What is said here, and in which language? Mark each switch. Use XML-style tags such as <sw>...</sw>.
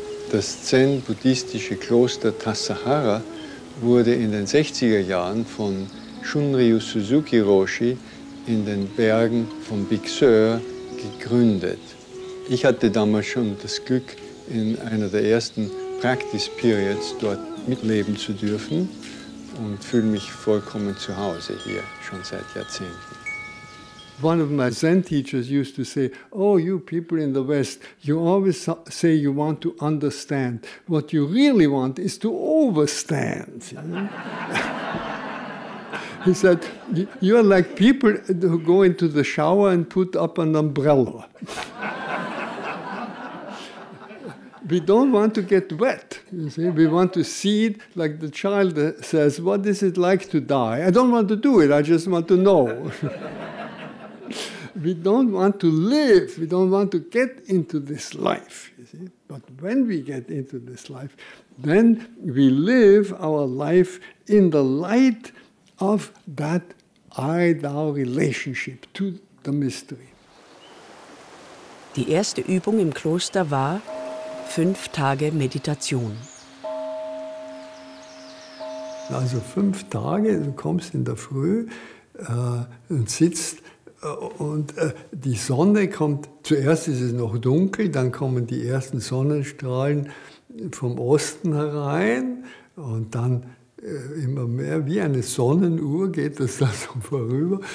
<de>Das Zen-buddhistische Kloster Tassahara wurde in den 60er Jahren von Shunryu Suzuki Roshi in den Bergen von Big Sur gegründet. Ich hatte damals schon das Glück, in einer der ersten Practice Periods dort mitleben zu dürfen und fühle mich vollkommen zu Hause hier, schon seit Jahrzehnten.</de> <en>One of my Zen teachers used to say, oh, you people in the West, you always say you want to understand. What you really want is to overstand. He said, you are like people who go into the shower and put up an umbrella. We don't want to get wet, you see. We want to see it like the child says, what is it like to die? I don't want to do it, I just want to know. We don't want to live, we don't want to get into this life, you see. But when we get into this life, then we live our life in the light of that I-Thou relationship to the mystery.</en> <de>Die erste Übung im Kloster war 5 Tage Meditation. Also 5 Tage, du kommst in der Früh und sitzt. Und die Sonne kommt, zuerst ist es noch dunkel, dann kommen die ersten Sonnenstrahlen vom Osten herein und dann immer mehr, wie eine Sonnenuhr geht das da so vorüber.</de>